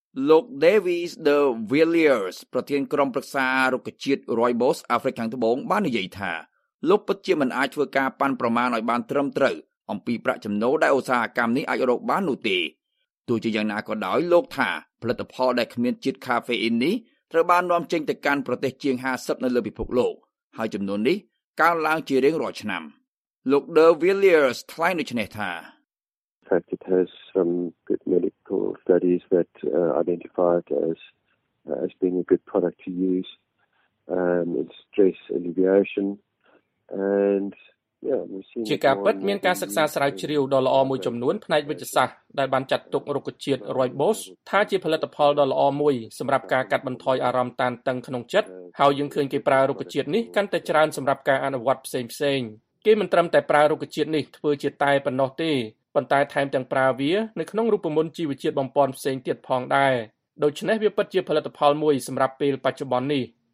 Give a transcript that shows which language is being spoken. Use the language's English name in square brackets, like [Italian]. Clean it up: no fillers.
[Khmer] លោក Davis de Villiers ប្រធានក្រុមប្រឹក្សារុក្ខជាតិ Rooibos អាហ្វ្រិកខាងត្បូងបាននិយាយថាលោកពិតជាមិនអាចធ្វើការប៉ាន់ប្រមាណឲ្យបានត្រឹមត្រូវអំពីប្រាក់ចំណូលដែលឧស្សាហកម្មនេះអាចរកបាននោះទេទោះជាយ៉ាងណាក៏ដោយលោកថាផលិតផលដែលគ្មានជាតិខាហ្វេអ៊ីននេះត្រូវបាននាំចេញទៅកាន់ប្រទេសជាង50នៅលើពិភពលោកហើយចំនួននេះកើនឡើងជារៀងរាល់ឆ្នាំលោក De Villiers ថ្លែងដូចនេះថា [English] studies that identified as being a good product to use in stress alleviation and [Khmer] ជាការពិតមានការសិក្សាស្រាវជ្រាវដ៏ល្អមួយចំនួនផ្នែកវិទ្យាសាស្ត្រដែលបានចាត់ទុករុក្ខជាតិ Rooibos ថាជាផលិតផលដ៏ល្អមួយសម្រាប់ការកាត់បន្ថយអារម្មណ៍តានតឹងក្នុងចិត្តហើយយើងឃើញគេប្រើរុក្ខជាតិនេះកាន់តែច្រើនសម្រាប់ការអនុវត្តផ្សេងផ្សេងគេមិនត្រឹមតែប្រើរុក្ខជាតិនេះធ្វើជាតែប៉ុណ្ណោះទេប៉ុន្តែថែមទាំងប្រើវានៅក្នុងរូបមន្តជីវជាតិបំពន់ផ្សេងទៀតផងដែរដូច្នេះវាពិតជាផលិតផលមួយសម្រាប់ពេលបច្ចុប្បន្ននេះ